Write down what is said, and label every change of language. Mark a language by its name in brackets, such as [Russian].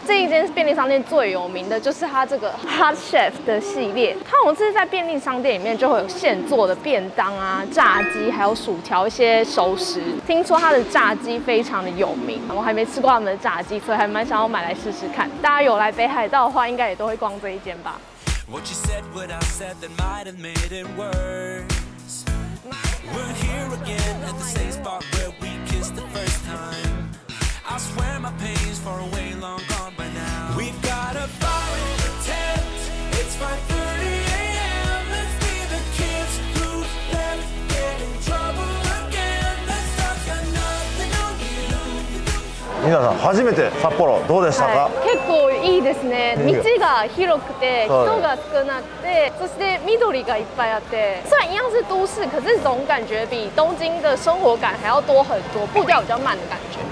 [Chinese] 这一间便利商店最有名的就是它这个 Hot Chef 的系列，它好像是在便利商店里面就会有现做的便当啊、炸鸡还有薯条一些熟食。听说它的炸鸡非常的有名，我还没吃过他们的炸鸡，所以还蛮想要买来试试看。大家有来北海道的话应该也都会逛这一间吧。 [English] What you said, what I said, that might have made it worse. We're here again at the same spot where we kissed the first time. I swear my pain's far away, long gone by now. We've got a fire in the tent. It's 5:30 a.m. Let's be the kids who left get in trouble again. Let's talk about nothing on you. [Japanese] 皆さん、初めて札幌どうでしたか？いいですね。道が広くて人が少なくて、そして緑がいっぱいあって、 [Chinese] 虽然一样是都市，可是总感觉比东京的生活感还要多很多，步调比较慢的感觉。